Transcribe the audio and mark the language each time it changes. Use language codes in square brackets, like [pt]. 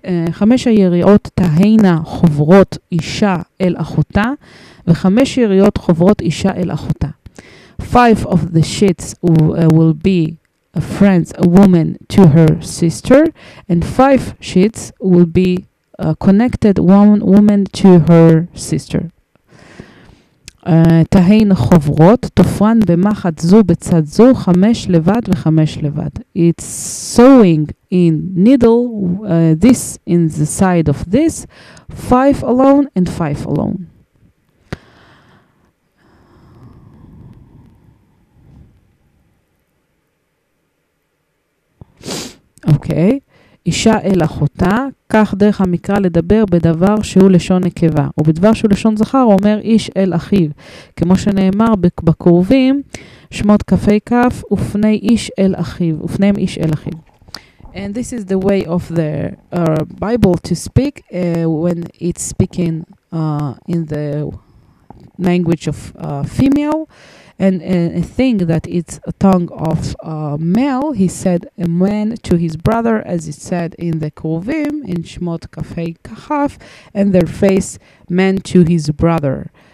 [he] חמש היריעות תהיינה חוברות אישה אל אחותה, וחמש יריעות חוברות אישה אל אחותה. [en] Five of the sheets will be a friend, a woman to her sister, and five sheets will be a connected woman to her sister. [he] תהיין חוברות תופרן במחט זו בצד זו, חמש לבד וחמש לבד. [en] It's sewing in needle, this in the side of this, five alone and five alone. Okay. [he] אישה אל אחותה, כך דרך המקרא לדבר בדבר שהוא לשון נקבה, ובדבר שהוא לשון זכר אומר איש אל אחיו, כמו שנאמר בקרובים, שמות כפי כף ופני איש אל אחיו, ופניהם איש אל אחיו. [en] And this is the way of the Bible to speak when it's speaking in the language of female, and a thing that it's a tongue of male. He said a man to his brother, as it said in the Kovim, in Shmot Kafei Kahaf, and their face man to his brother.